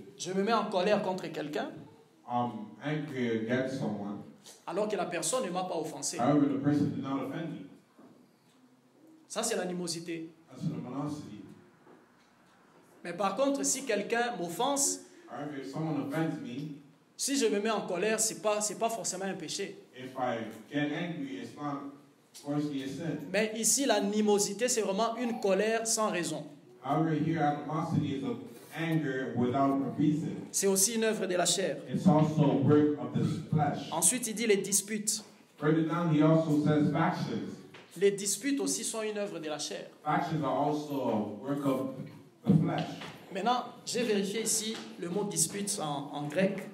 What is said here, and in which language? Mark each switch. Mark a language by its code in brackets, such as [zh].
[fr] je me mets en colère contre quelqu'un, [en] I'm angry against someone, [fr] alors que la personne ne m'a pas offensé. [en] However, the person did not offend me. [fr] Ça, c'est l'animosité. [en] That's an animosity. [fr] Mais par contre, si quelqu'un m'offense, [en] however, if someone offends me, [fr] si je me mets en colère, c'est pas forcément un péché. [en] If I get angry, it's not forcibly a sin. [fr] Mais ici, l'animosité, c'est vraiment une colère sans raison. [en] However, here, animosity is a anger without a reason. [fr] C'est aussi une œuvre de la chair. [en] It's also a work of the flesh. [fr] Ensuite, il dit les disputes. [en] Further down, he also says factions. [fr] Les disputes aussi sont une œuvre de la chair. [en] Factions are also a work of the flesh. [fr] Maintenant, j'ai vérifié ici le mot dispute en grec.